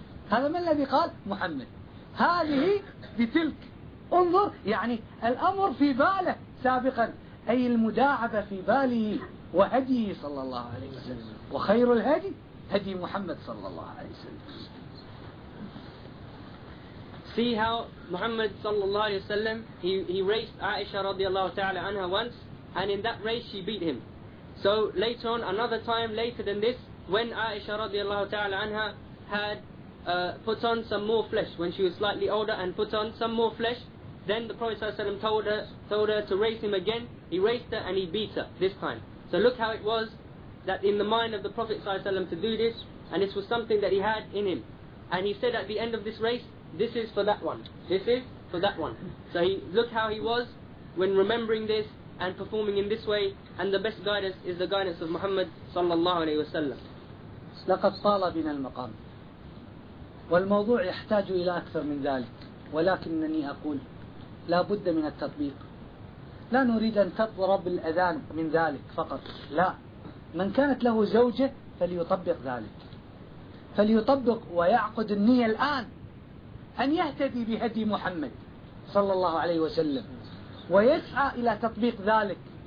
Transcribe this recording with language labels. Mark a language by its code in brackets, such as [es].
[ar] هذا من الذي قال؟ محمد. هذه بتلك، انظر، يعني الأمر في باله سابقا، أي المداعبة في باله وهديه صلى الله عليه وسلم، وخير الهدي هدي محمد صلى الله عليه وسلم. [en] See how Muhammad sallallahu alaihi wasallam, he raced Aisha radiallahu ta'ala anha once, and in that race she beat him. So later on, another time later than this, when Aisha radiallahu ta'ala anha had put on some more flesh, when she was slightly older and put on some more flesh, then the Prophet sallallahu alaihi wasallam told her to race him again. He raced her and he beat her this time. So look how it was that in the mind of the Prophet sallallahu alaihi wasallam to do this, and this was something that he had in him, and he said at the end of this race, this is for that one. So he, look how he was when remembering this, and performing in this way, and the best guidance is the guidance of Muhammad sallallahu alayhi wa sallam. [ar] لقد طال بنا المقام والموضوع يحتاج إلى أكثر من ذلك، ولكنني أقول لا بد من التطبيق. لا نريد أن تضرب الأذان من ذلك فقط، لا، من كانت له زوجة فليطبق ذلك، فليطبق ويعقد النية الآن أن يهتدي بهدي محمد صلى الله عليه وسلم ويسعى إلى تطبيق ذلك.